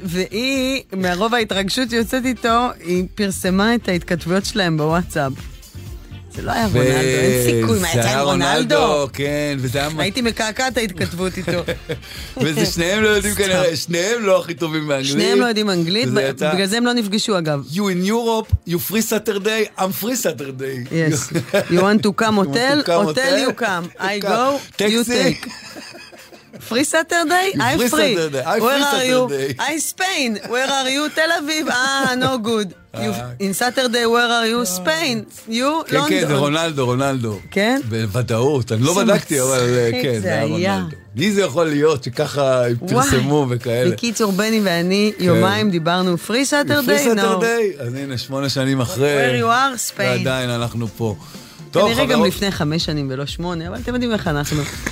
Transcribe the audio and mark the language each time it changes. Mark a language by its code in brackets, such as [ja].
[he] והיא, מהרוב ההתרגשות יוצאת איתו, היא פרסמה את ההתכתבויות שלהם בוואטסאפ. זה לא היה רונלדו, אין סיכוי, מה יצא עם רונלדו? כן, וזה היה... הייתי מקעקעת ההתכתבות איתו. וזה שניהם לא יודעים כנראה, שניהם לא הכי טובים באנגלית. שניהם לא יודעים אנגלית, בגלל זה הם לא נפגשו אגב. [en] You in Europe, you free Saturday, I'm free Saturday. Yes. You want to come hotel, hotel you come. I go, you take. Free Saturday, I'm free. Where are you? I'm Spain. Where are you? Tel Aviv. Ah, no good. In Saturday, where are you? Spain. You, London. [he] כן, כן, זה רונלדו, רונלדו. כן? בוודאות. אני לא בדקתי, אבל כן, זה היה רונלדו. מי זה יכול להיות שככה פרסמו וכאלה? בקיצור, בני ואני, יומיים דיברנו, [en] free Saturday? Free Saturday? [he] אז הנה, שמונה שנים אחרי. [en] Where you are, Spain. [he] ועדיין אנחנו פה. כנראה גם לפני חמש שנים ולא שמונה, אבל אתם יודעים איך אנחנו.